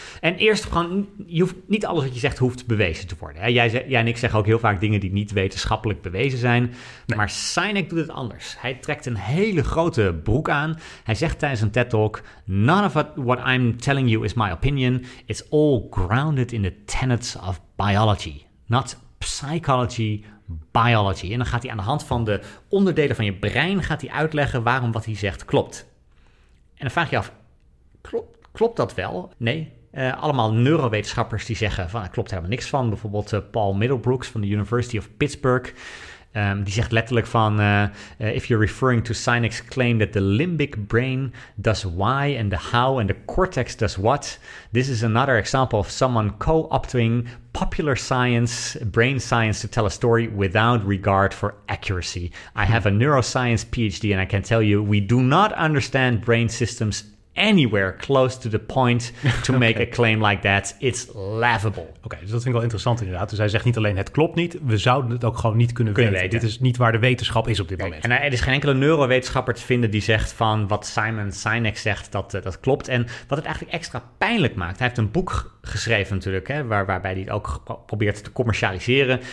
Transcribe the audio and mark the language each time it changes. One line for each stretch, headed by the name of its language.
Dutch: En eerst gewoon, niet alles wat je zegt hoeft bewezen te worden. Hè? Jij en ik zeggen ook heel vaak dingen die niet wetenschappelijk bewezen zijn. Nee. Maar Sinek doet het anders. Hij trekt een hele grote broek aan. Hij zegt tijdens een TED-talk,
English: none of what I'm telling you is my opinion. It's all grounded in the tenets of biology, not psychology, biology.
Dutch: En dan gaat hij aan de hand van de onderdelen van je brein gaat hij uitleggen waarom wat hij zegt klopt. En dan vraag je af, klopt dat wel? Nee. Allemaal neurowetenschappers die zeggen van er klopt helemaal niks van. Bijvoorbeeld Paul Middlebrooks van de University of Pittsburgh. Die zegt letterlijk van,
English: if you're referring to Sinek's claim that the limbic brain does why and the how and the cortex does what, this is another example of someone co-opting popular science, brain science, to tell a story without regard for accuracy. I have a neuroscience PhD and I can tell you we do not understand brain systems anywhere close to the point to make a claim like that. It's laughable.
Dutch: Oké, dus dat vind ik wel interessant inderdaad. Dus hij zegt niet alleen het klopt niet, we zouden het ook gewoon niet kunnen weten. Dit is niet waar de wetenschap is op dit moment. En er is geen enkele neurowetenschapper te vinden die zegt van wat Simon Sinek zegt, dat klopt. En wat het eigenlijk extra pijnlijk maakt, hij heeft een boek geschreven natuurlijk, hè, waarbij hij het ook probeert te commercialiseren.